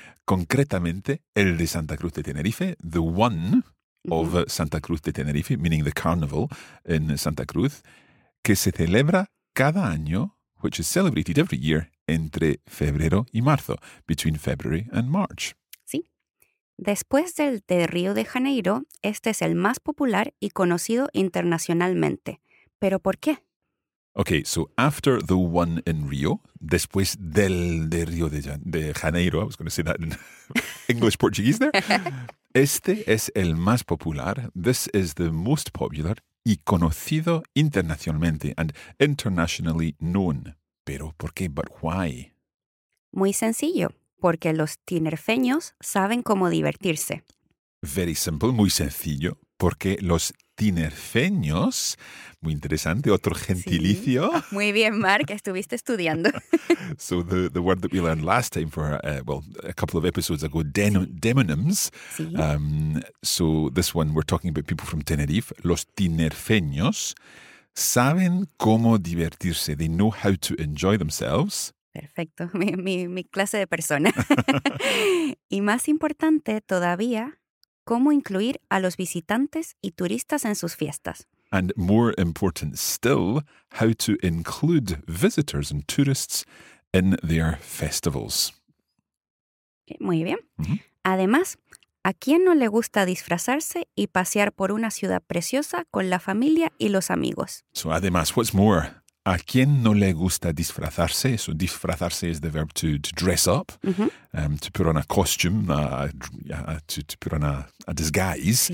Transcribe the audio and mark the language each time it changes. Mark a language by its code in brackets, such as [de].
[es] Concretamente, el de Santa Cruz de Tenerife, [en] the one of Santa Cruz de Tenerife, meaning the carnival in Santa Cruz, [es] que se celebra cada año, [en] which is celebrated every year, [es] entre febrero y marzo, [en] between February and March. [es] Sí. Después del de Río de Janeiro, este es el más popular y conocido internacionalmente. ¿Pero por qué? [en] Okay, so after the one in Rio, [es] después del de Río de Janeiro, [en] I was going to say that in English Portuguese there. [es] Este es el más popular. [en] This is the most popular. [es] Y conocido internacionalmente, [en] and internationally known. [es] Pero ¿por qué? [en] But why? [es] Muy sencillo, porque los tinerfeños saben cómo divertirse. [en] Very simple, [es] muy sencillo, porque los tinerfeños, muy interesante, otro gentilicio. Sí. Muy bien, Mark, estuviste estudiando. [en] So the word that we learned last time for, a couple of episodes ago, demonyms. [es] Sí. [en] So this one, we're talking about people from Tenerife. [es] Los tinerfeños saben cómo divertirse. [en] They know how to enjoy themselves. [es] Perfecto, mi clase de persona. Y más importante todavía, ¿cómo incluir a los visitantes y turistas en sus fiestas? [en] And more important still, how to include visitors and tourists in their festivals. [es] Muy bien. Además, ¿a quién no le gusta disfrazarse y pasear por una ciudad preciosa con la familia y los amigos? So además, [en] what's more, [es] ¿a quién no le gusta disfrazarse? [en] So disfrazarse is the verb to dress up, to put on a costume, to put on a disguise.